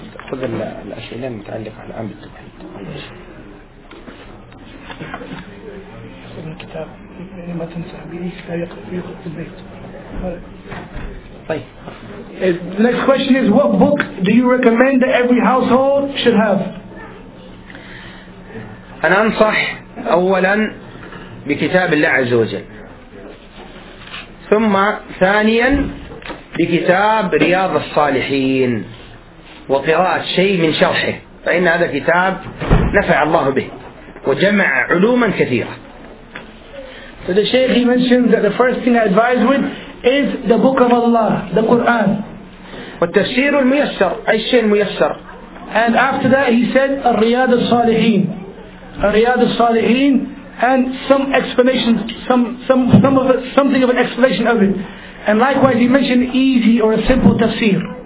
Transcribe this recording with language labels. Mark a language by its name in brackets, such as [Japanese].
[Arabic] خذ الأسئلة المتعلقة الآن بالتوحيد. خذ الكتاب يعني ما تنسى بيش فريق فريق البيت. طيب. [English] The next question is, what book do you recommend that every household should have? [Arabic] أنا أنصح أولا بكتاب الله عز وجل، ثم ثانيا بكتاب رياض الصالحين وقراءة شيء من شرحه، فإن هذا كتاب نفع الله به وجمع علوما كثيرة. [English] So the Shaykh, he mentions that the first thing I advise with is the book of Allah, the Quran. [Arabic] والتفسير الميسر، أي شيء ميسر. [English] And after that he said الرياض الصالحين. الرياض الصالحين and some explanation, some of it, something of an explanation of it. And likewise he mentioned easy or a simple tafsir.